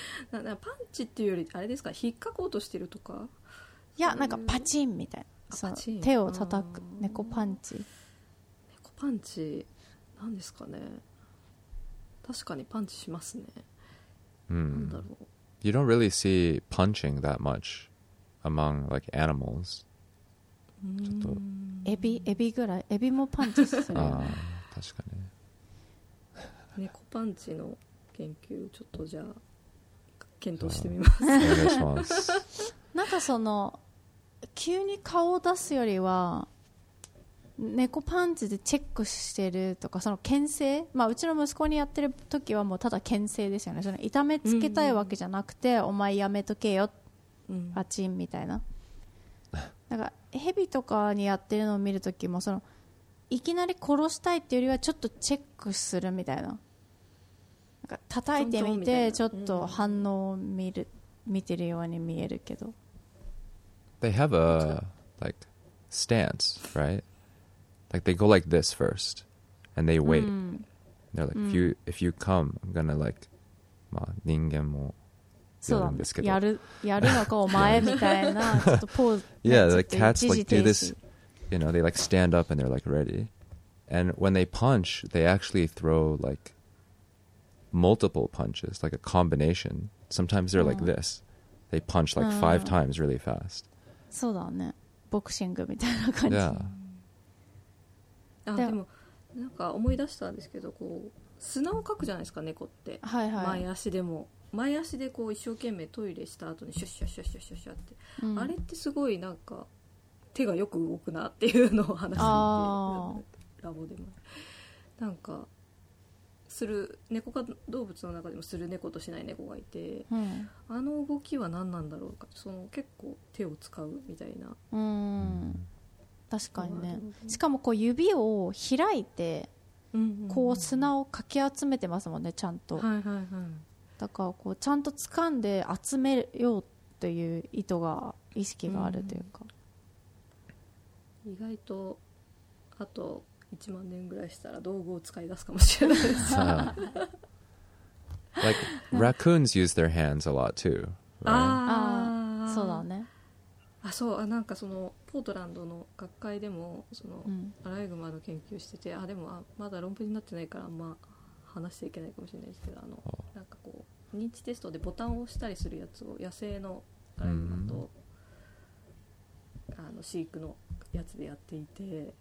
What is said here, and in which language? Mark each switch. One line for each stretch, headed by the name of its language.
Japanese: なんかパンチっていうよりあれですか、引っかこうとしてるとか。いや、なんかパチンみたいな、そう、手を叩く猫パンチ。猫パンチなんですかね。確かにパンチしますね。
English: You don't really see punching that much among like animals.
Japanese: エビぐらい、エビもパンチする。あ、確かに。猫パンチの研究ちょっとじゃあ検討してみます。お願いします。なんかその急に顔を出すよりは猫パンチでチェックしてるとか、その牽制、まあ、うちの息子にやってる時はもうただ牽制ですよね。その痛めつけたいわけじゃなくて、うんうん、お前やめとけよ、うん、パチンみたいな。なんか蛇とかにやってるのを見る時も、そのいきなり殺したいっていうよりはちょっとチェックするみたいな、なんか叩いてみてちょっと反応を見る、見てるように見えるけど。
English: They have a like stance, right? Like they go like this first and they wait. They're like, if you come, I'm gonna like,
Japanese: まあ人間もやるんですけど、やるのかお前みたいな、ちょっとポーズ。
English: Yeah, the cats like do this, you know, they like stand up and they're like ready. And when they punch, they actually throw like multiple punches, like a combination. Sometimes they're like this. They punch like five times really fast.
Japanese: そうだね。ボクシングみたいな感じ。
English: Yeah.
Japanese: でもなんか思い出したんですけど、こう砂をかくじゃないですか猫って、はいはい、前足でも前足でこう一生懸命トイレした後にシュッシュッシュッシュッシュッシュッって、うん、あれってすごいなんか手がよく動くなっていうのを話してラボでも、なんかする猫か動物の中でもする猫としない猫がいて、うん、あの動きは何なんだろうか、その結構手を使うみたいな、うん、確かにね。しかもこう指を開いてこう砂をかき集めてますもんね、ちゃんと、はいはいはい、だからこうちゃんと掴んで集めようという意図が、意識があるというか、うん、意外とあと1万年ぐらいしたら道具を使い出すかもしれないです、
English: like, raccoons use their hands a lot too、right?
Japanese: ああそうだね。あそう、あなんかそのポートランドの学会でもそのアライグマの研究してて、うん、あでもあまだ論文になってないからあんま話していけないかもしれないですけど、あのなんかこう認知テストでボタンを押したりするやつを野生のアライグマと、うん、あの飼育のやつでやっていて、